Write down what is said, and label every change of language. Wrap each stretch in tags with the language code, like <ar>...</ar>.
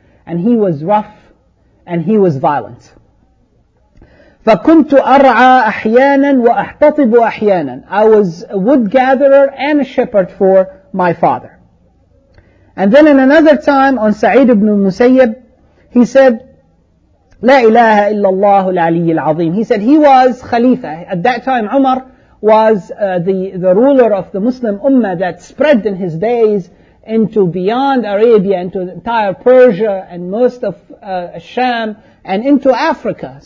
<en>And he was rough and he was violent.</en> <ar>فَكُنْتُ أَرْعَى أَحْيَانًا وَأَحْتَطِبُ أَحْيَانًا.</ar> <en>I was a wood gatherer and a shepherd for my father. And then in another time on Sa'id ibn Musayyib, he said,</en> <ar>لَا إِلَهَ إِلَّا اللَّهُ الْعَلِيِّ الْعَظِيمِ.</ar> <en>He said he was Khalifa. At that time, Umar was the ruler of the Muslim Ummah that spread in his days into beyond Arabia, into the entire Persia and most of Sham, and into Africa.</en>